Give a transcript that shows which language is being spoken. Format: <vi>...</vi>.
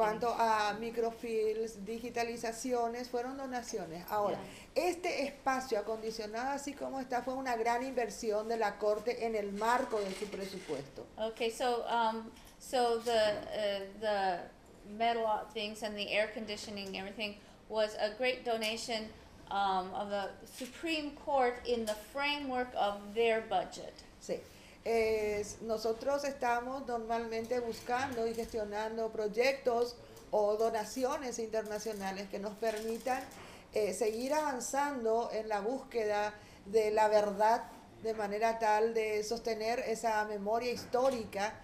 <es>En cuanto a microfields, digitalizaciones, fueron donaciones. Ahora,</es> <en>yeah.</en> <es>Este espacio acondicionado así como está fue una gran inversión de la Corte en el marco de su presupuesto.</es> <en>Okay, so the metal things and the air conditioning and everything was a great donation of the Supreme Court in the framework of their budget.</en> <es>Sí. Nosotros estamos normalmente buscando y gestionando proyectos o donaciones internacionales que nos permitan seguir avanzando en la búsqueda de la verdad de manera tal de sostener esa memoria histórica</es>